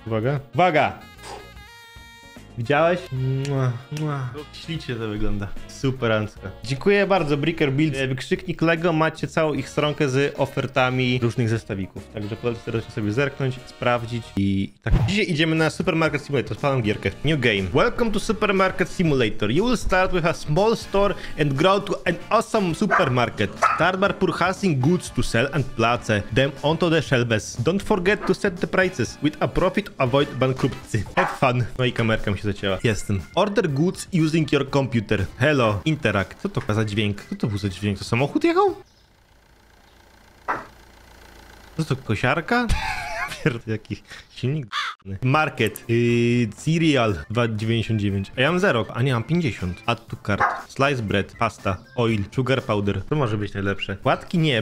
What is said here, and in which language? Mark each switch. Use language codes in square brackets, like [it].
[pl] Uwaga. Uwaga! Widziałeś? Mua, mua. Ślicznie to wygląda. Super ancka. Dziękuję bardzo, Bricker Build. Wykrzyknik Lego, macie całą ich stronkę z ofertami różnych zestawików. Także polecam serdecznie sobie zerknąć, sprawdzić i tak. Dzisiaj idziemy na Supermarket Simulator. Odpalam gierkę. [en] New game. Welcome to Supermarket Simulator. You will start with a small store and grow to an awesome supermarket. Start by purchasing goods to sell and place them onto the shelves. Don't forget to set the prices. With a profit, avoid bankruptcy. Have fun. [pl] No i kamerka mi się zacięła. Jestem. [en] Order goods using your computer. Hello. Interact. [pl] Co to za dźwięk? Co to był za dźwięk? To samochód jechał? Co to, kosiarka? Pierdol, jaki silnik. Market. Cereal. 2,99. A ja mam 0. A nie, mam 50. [en] Add to cart. Slice bread. Pasta. Oil. Sugar powder. [pl] To może być najlepsze. Płatki nie.